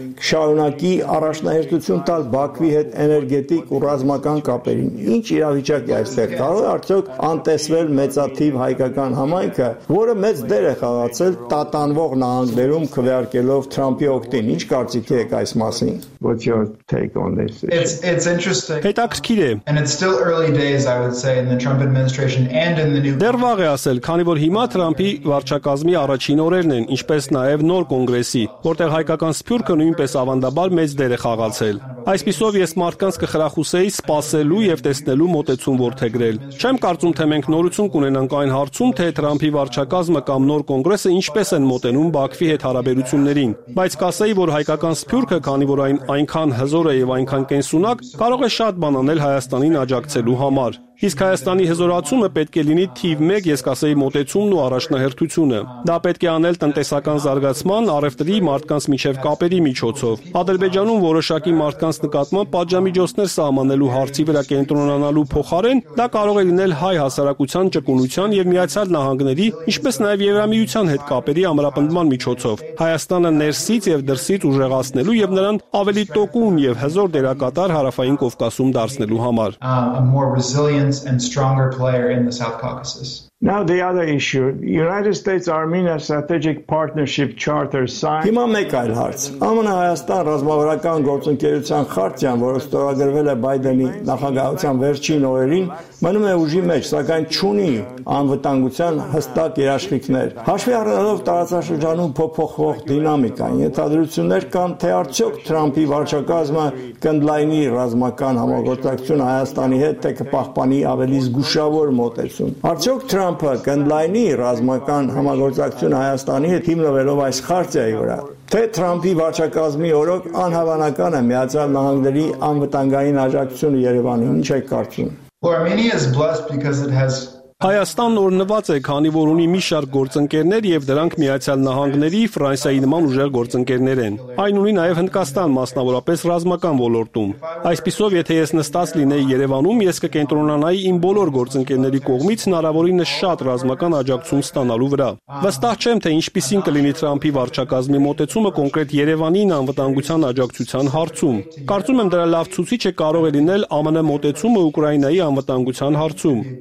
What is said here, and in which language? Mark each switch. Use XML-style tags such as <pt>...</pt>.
<hy>կշարունակի առաջնահերթություն տալ Բաքվի հետ էներգետիկ ու ռազմական կապերին։ Ինչ իրավիճակ է այստեղ, կարող է արդյոք անտեսվել մեծաթիվ հայկական համայնքը, որը մեծ դեր է խաղացել տատանվող նահանգներում քվեարկելով Թրամփի օգտին։ Ինչ կարծիք եք այս մասին։</hy> <en>What's your take on this? It's interesting.</en> <hy>Հետաքրքիր է։</hy> <en>And it's still early days, I would say, in the Trump administration and in the new</en> <hy>Դեռ վաղ է ասել, քանի որ հիմա Թրամփի վարչակազմի առաջին օրերն են, ինչպես նաև նոր կոնգրեսի, որտեղ հայկական սփյուռքը նույնպես ավանդաբար մեծ դեր է խաղացել։ Այսպիսով ես մարդկանց կխրախուսեի սպասելու և տեսնելու մոտեցում որդ է գրել։ Չեմ կարծում, թե մենք նորություն կունենանք այն հարցում, թե Թրամփի վարչակազմը կամ նոր կոնգրեսը ինչպես են մոտենում Բաքվի հետ հարաբերություններին, բայց կասեի, որ հայկական սփյուրքը, քանի որ այն այնքան հզոր է և այնքան կենսունակ, կարող է շատ բան անել Հայաստանին աջակցելու համար։ Իսկ Հայաստանի հզորացումը պետք է լինի թիվ 1, ես կասեի, մոտեցումն ու առաջնահերթությունը։ Դա պետք է անել տնտեսական զարգացման, առևտրի, մարդկանց միջև կապերի միջոցով։ Ադրբեջանում որոշակի մարդկանց նկատմամբ պատժամիջոցներ սահմանելու հարցի վրա կենտրոնանալու փոխարեն, դա կարող է լինել հայ հասարակության ճկունության և Միացյալ Նահանգների, ինչպես նաև Եվրամիության հետ կապերի ամրապնդման միջոցով։ Հայաստանը ներսից և դրսից ուժեղացնելու և նրան ավելի տոկուն և հզոր դերակատար հարավային Կովկասում դարձնելու համար։</hy> <en>And stronger player in the South Caucasus. Now the other issue, United States Armenia Strategic Partnership Charter signed.</en> <hy>Հիմա մեկ այլ հարց. ԱՄՆ Հայաստան ռազմավարական գործընկերության խարտիան, որը ստորագրվել է Բայդենի նախագահության վերջին օրերին, մնում է ուժի մեջ, սակայն չունի անվտանգության հստակ երաշխիքներ։ Հաշվի առնելով տարածաշրջանում փոփոխվող դինամիկան, ենթադրություններ կան, թե արդյոք Թրամփի վարչակազմը կընդլայնի ռազմական համագործակցությունը Հայաստանի հետ, թե կպահպանի ավելի զգուշավոր մոտեցում։ Արդյոք Թրամփը կընդլայնի ռազմական համագործակցությունը Հայաստանի հետ, հիմնվելով այս խարտիայի վրա։ Թե Թրամփի վարչակազմի օրոք անհավանական է Միացյալ Նահանգների անվտանգային աջակցությունը Երևանի, ինչ եք կարծում։</hy> <en>Armenia is blessed because it has</en> <hy>Հայաստանն օրնված է, քանի որ ունի մի շարք գործընկերներ և դրանք Միացյալ Նահանգների, Ֆրանսիայի նման ուժեղ գործընկերներ են։ Այն ունի նաև Հնդկաստան, մասնավորապես ռազմական ոլորտում։ Այսպիսով, եթե ես նստած լինեի Երևանում, ես կկենտրոնանայի իմ բոլոր գործընկերների կողմից հնարավորինս շատ ռազմական աջակցություն ստանալու վրա։ Վստահ չեմ, թե ինչպիսին կլինի Թրամփի վարչակազմի մոտեցումը կոնկրետ Երևանի անվտանգության աջակցության հարցում։ Կարծում եմ, դրա լավ ցուցիչը կարող է լինել ԱՄՆ մոտեցումը Ուկրաինայի անվտանգության հարցում։</hy>